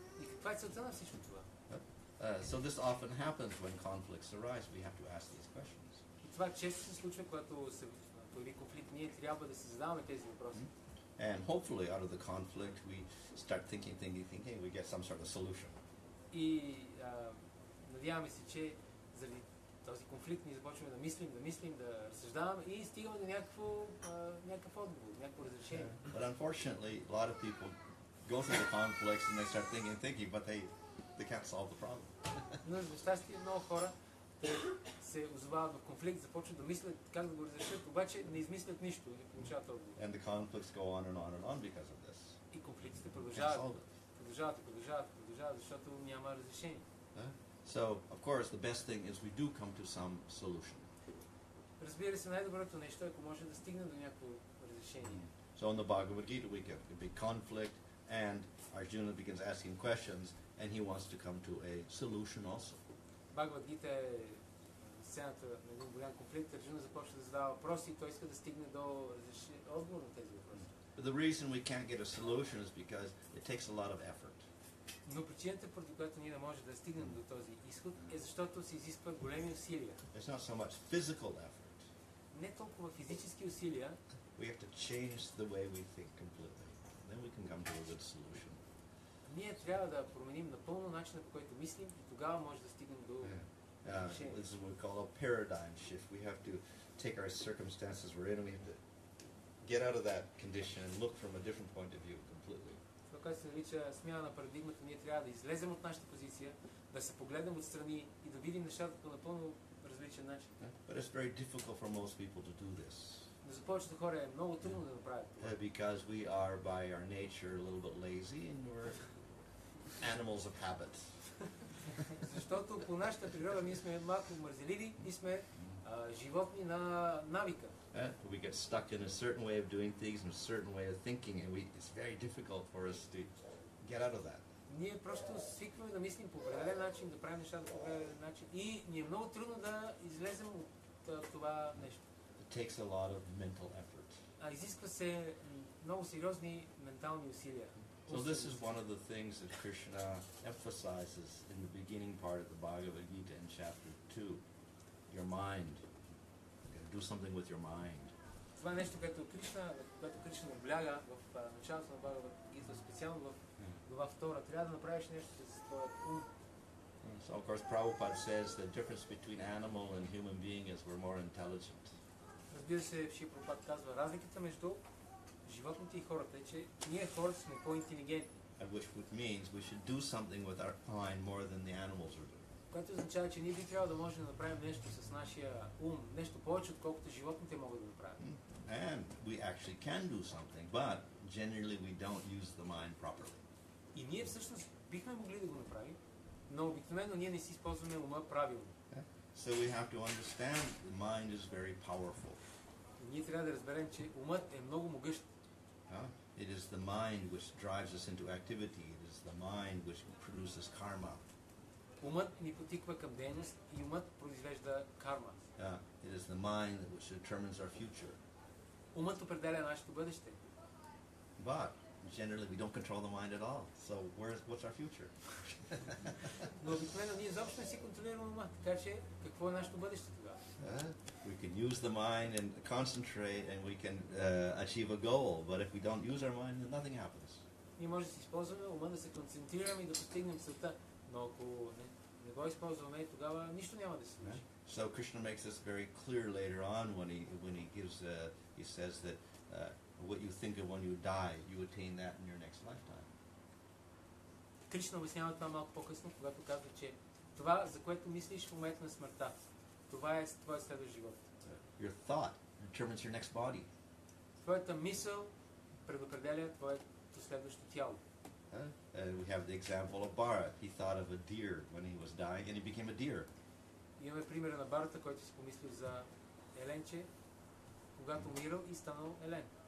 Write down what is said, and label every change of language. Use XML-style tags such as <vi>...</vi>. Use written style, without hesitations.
<bg>И каква е целта на всичко това?</bg> <en>So this often happens when conflicts arise. We have to ask these questions.</en> <bg>Това често се случва, когато се появи конфликт, ние трябва да се задаваме тези въпроси.</bg> <en>And hopefully out of the conflict we start thinking, we get some sort of solution.</en> <bg>И надяваме се, че заради този конфликт ние започваме да мислим, да разсъждаваме и стигаме до някакъв отговор, някакво разрешение.</bg> <en>But unfortunately, a lot of people go through the conflicts and they start thinking, but they can't solve the problem.</en> <bg>Но за щастие много хора се озовават в конфликт, започват да мислят как да го разрешат, обаче не измислят нищо, не получават отговор.</bg> <en>And the conflicts go on and on and on because of this.</en> <bg>И конфликтите продължават, защото няма разрешение.</bg> <en>So, of course, the best thing is we do come to some solution.</en> <bg>Разбира се, най-доброто нещо е, ако може да стигне до някакво разрешение.</bg> <en>So in the Bhagavad Gita we get a big conflict and Arjuna begins asking questions and he wants to come to a solution also.</en> <bg>Бхагавад Гита е сцената на един голям конфликт. Арджуна започва да задава въпроси и той иска да стигне до отговор на тези въпроси.</bg> <en>But the reason we can't get a solution is because it takes a lot of effort.</en> <bg>Но причината, поради която ние не можем да стигнем до този изход, е защото се изисква големи усилия.</bg> <en>It's not so much physical effort.</en> <bg>Не толкова физически усилия.</bg> <en>We have to change the way we think completely. Then we can come to a good solution.</en> <bg>Ние трябва да променим напълно начина, по който мислим, и тогава може да стигнем до</bg> <en>This is what we call a paradigm shift. We have to take our circumstances we're in, we have to get out of that condition and look from a different point of view completely.</en> <bg>Това, което се нарича смяна на парадигмата, ние трябва да излезем от нашата позиция, да се погледнем отстрани и да видим нещата по напълно различен начин.</bg> <en>But it's very difficult for most people to do this.</en> <bg>Но за повечето хора е много трудно да направят това.</bg> <en>Because we are by our nature a little bit lazy and we're animals of habit.</en> <bg>Защото по нашата природа ние сме малко мързеливи и сме животни на навика.</bg> <en>We get stuck in a certain way of doing things and a certain way of thinking and it's very difficult for us to get out of that.</en> <bg>Ние просто свикваме да мислим по определен начин, да правим нещата по определен начин и ни е много трудно да излезем от това нещо.</bg> <en>It takes a lot of mental effort.</en> <bg>Изисква се много сериозни ментални усилия.</bg> <en>So this is one of the things that Krishna emphasizes in the beginning part of the Bhagavad Gita in chapter 2. Your mind. Do something with your mind.</en> <bg>Това е нещо, което Кришна обляга в началото на Бхагавад Гита, специално в глава 2. Трябва да направиш нещо с твоя ум.</bg> <en>So of course Prabhupada says the difference between animal and human being is we're more intelligent.</en> <bg>Разбира се, Шри Прабхупада казва, разликата между животните и хората е, че ние хората сме по-интелигентни.</bg> <en>Which means we should do something with our mind more than the animals are doing.</en> <bg>Което означава, че ние би трябвало да можем да направим нещо с нашия ум, нещо повече, отколкото животните могат да направят.</bg> <en>And we actually can do something, but generally we don't use the mind properly.</en> <bg>И ние всъщност бихме могли да го направим, но обикновено ние не си използваме ума правилно.</bg> <en>So we have to understand the mind is very powerful.</en> <bg>Ние трябва да разберем, че умът е много могъщ.</bg> <en>It is the mind which drives us into activity. It is the mind which produces karma.</en> <bg>Умът ни потиква към дейност и умът произвежда карма.</bg> <en>It is the mind which determines our future.</en> <bg>Умът определя нашето бъдеще.</bg> <en>But generally we don't control the mind at all. So what's our future?</en> <bg>Но обикновено ние изобщо не си контролираме ума, така че какво е нашето бъдеще тогава?</bg> <en>We can use the mind and concentrate and we can achieve a goal, but if we don't use our mind then nothing happens.</en> <bg>ние може да си използваме ума, да се концентрираме и да постигнем целта, но ако не го използваме, тогава нищо няма да се случи.</bg> <en>So Krishna makes this very clear later on when he gives he says that what you think of when you die, you attain that in your next lifetime.</en> <bg>Krishna обяснява това малко по-късно, когато казва, че това, за което мислиш в момента на смъртта, това е твоя следващ живот.</bg> <en>Your thought determines your next body.</en> <bg>Твоята мисъл предопределя твоето следващо тяло.</bg> <en>We have the example of Bara. He thought of a deer when he was dying and he became a deer.</en> <bg>Имаме примера на Барата, който си помислил за еленче, когато умирал и станал елен.</bg>